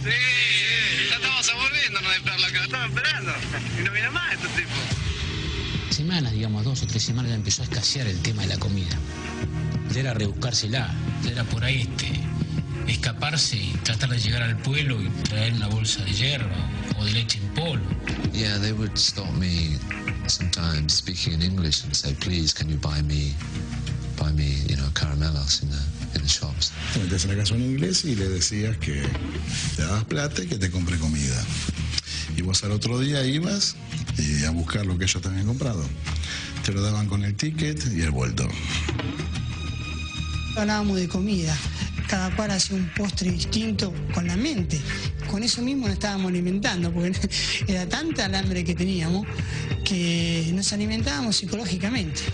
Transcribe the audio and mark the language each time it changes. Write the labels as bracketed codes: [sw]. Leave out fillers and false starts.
[es] Sí, sí. Ya estamos aburriendo, no esperarlo acá, estamos esperando. Y no viene más este tipo. Semanas, digamos, dos o tres semanas, ya empezó a escasear el tema de la comida. Ya era rebuscársela, ya era por ahí escaparse y tratar de llegar al pueblo y traer una bolsa de hierba o de leche en polvo. [en] Yeah, they would stop me sometimes speaking in English and say, please, can you buy me, you know, caramels in the shops. [es] Te sacas un inglés y le decías que te dabas plata y que te compre comida. Y vos al otro día ibas y a buscar lo que ellos te habían comprado. Te lo daban con el ticket y el vuelto. Hablábamos de comida. Cada cual hacía un postre distinto con la mente. Con eso mismo nos estábamos alimentando, porque era tanta el hambre que teníamos que nos alimentábamos psicológicamente.